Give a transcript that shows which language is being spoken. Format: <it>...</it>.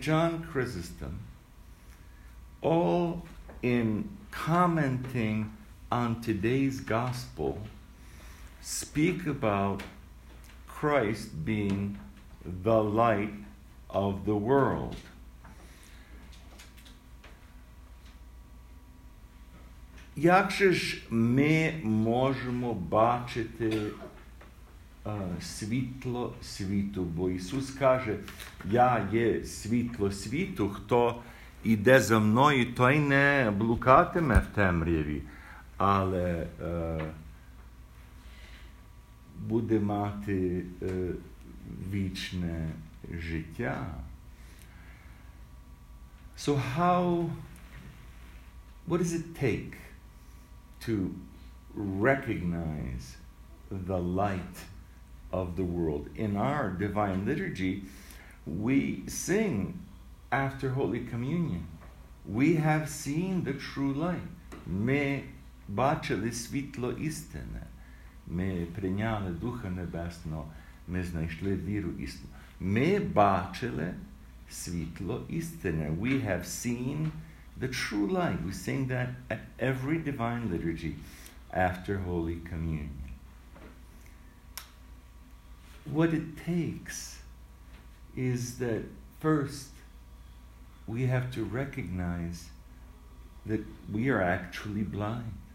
<en>John Chrysostom, all in commenting on today's gospel, speak about Christ being the light of the world.</en> <uk>Як же ж ми можемо бачити світло світу? Бо Ісус каже, я є світло світу, хто іде за мною, той не блукатиме в темряві, але буде мати вічне життя.</uk> <en>So how, what does it take to recognize the light of the world? In our Divine Liturgy, we sing after Holy Communion, we have seen the true light.</en> <uk>Ми бачили світло істини. Ми прийняли Духа Небесного. Ми знайшли віру істину. Ми бачили світло істини.</uk> <en>We have seen the true light. We sing that at every Divine Liturgy after Holy Communion. What it takes is that first, we have to recognize that we are actually blind.</en>